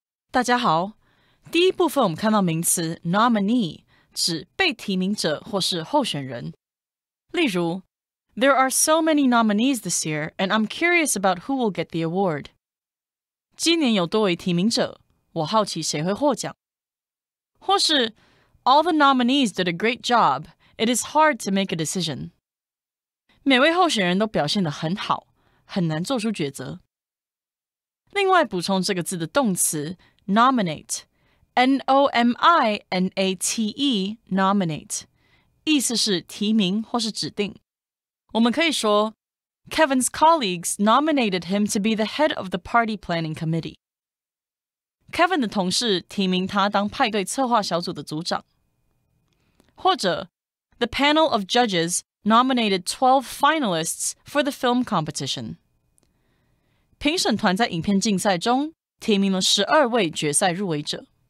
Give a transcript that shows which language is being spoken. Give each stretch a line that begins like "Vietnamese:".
Chinese: 大家好，第一部分我们看到名词 nominee 指被提名者或是候选人。
English: 例如 ，There are so many nominees this year, and I'm curious about who will get the award.
Chinese: 今年有多位提名者，我好奇谁会获奖。
English: 或是 ，All the nominees did a great job. It is hard to make a decision.
Chinese: 每位候选人都表现得很好，很难做出抉择。另外补充这个字的动词。 Nominate, N-O-M-I-N-A-T-E, nominate, 意思是提名或是指定。我们可以说
English: ,Kevin's colleagues nominated him to be the head of the party planning committee.
Chinese: Kevin 的同事提名他当派对策划小组的组长。
English: 或者 ,The panel of judges nominated 12 finalists for the film competition.
Chinese: 评审团在影片竞赛中提名了12位决赛入围者。